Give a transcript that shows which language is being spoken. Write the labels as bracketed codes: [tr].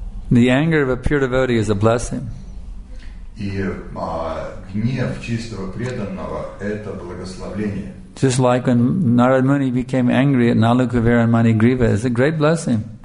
[en] The anger of a pure devotee is a blessing. [ru] И гнев чистого преданного – это благословение. [en] Just like when Narad Muni became angry at Nalukuvera and Manigriva, it's a great blessing.